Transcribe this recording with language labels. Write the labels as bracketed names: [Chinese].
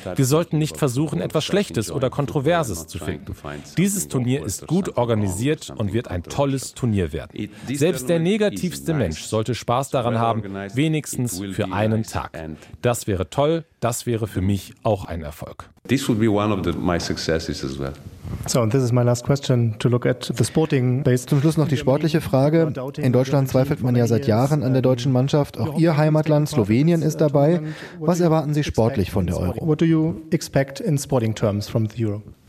[German] Wir sollten nicht versuchen, etwas Schlechtes oder Kontroverses zu finden. Dieses Turnier ist gut organisiert und wird ein tolles Turnier werden. Selbst der negativste Mensch sollte Spaß daran haben, wenigstens für einen Tag. Das wäre toll, das wäre für mich auch ein Erfolg. [English] This would be one of my successes as well. So, and this is my last question to look at the sporting base. [German] Zum Schluss noch die sportliche Frage. In Deutschland zweifelt man ja seit Jahren an der deutschen Mannschaft. Auch Ihr Heimatland Slowenien ist dabei. Was erwarten Sie sportlich von der Euro? [English] What do you expect in sporting terms from the Euro?